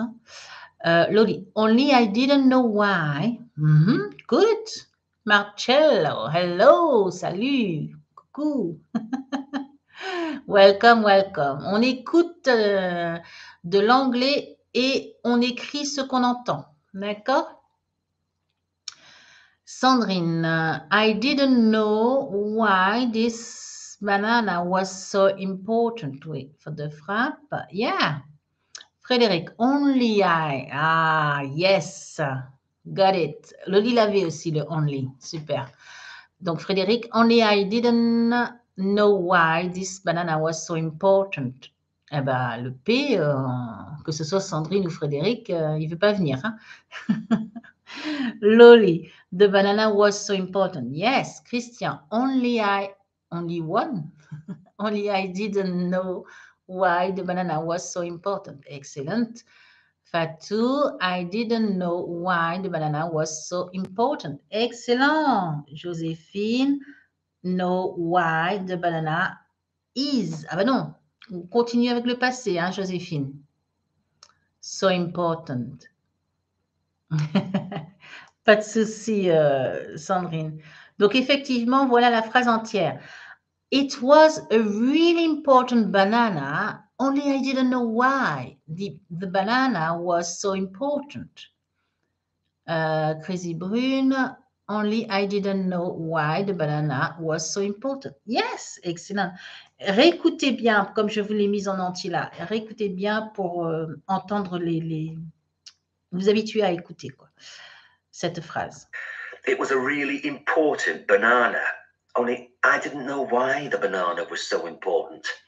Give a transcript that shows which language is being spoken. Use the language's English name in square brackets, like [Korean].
[English] Hein? Loli, only I didn't know why. Good. [French] Marcello, hello, salut, coucou. [English] Welcome, welcome. [French] On écoute de l'anglais et on écrit ce qu'on entend, d'accord? [English] Sandrine, I didn't know why this banana was so important. Wait for the frappe. Yeah. Frédéric, only I. Ah, yes. Got it. [French] Loli l'avait aussi, le only. Super. [English] Donc, Frédéric, only I didn't know why this banana was so important. [French] Eh bien, le P, que ce soit Sandrine ou Frédéric, il ne veut pas venir. [English] Hein? Loli, the banana was so important. Yes, Christian, only one. Only I didn't know why the banana was so important. Excellent. Fatou, I didn't know why the banana was so important. Excellent. Joséphine, know why the banana is. [French] Ah ben non, on continue avec le passé, hein, Joséphine. [English] So important. [French] Pas de souci, Sandrine. Donc, effectivement, voilà la phrase entière. [English] It was a really important banana. Only I didn't know why the banana was so important. Crazy Brune, only I didn't know why the banana was so important. Yes, excellent. [French] Réécoutez bien, comme je vous l'ai mise en entier là. Réécoutez bien pour entendre vous habituer à écouter quoi, cette phrase. [English] It was a really important banana. Only I didn't know why the banana was so important.